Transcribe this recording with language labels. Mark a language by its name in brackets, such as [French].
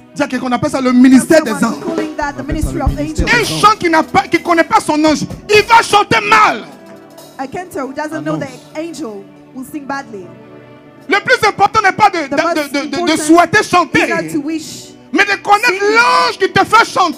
[French] Dire qu'on appelle ça le ministère des anges. [English] Calling that the ministry of angels. [French] Un chant qui n'a pas, qui connaît pas son ange, il va chanter mal. [English] A cantor who doesn't know the angel will sing badly. [French] Le plus important n'est pas de souhaiter chanter, [English] to wish, [French] mais de connaître singing, l'ange qui te fait chanter.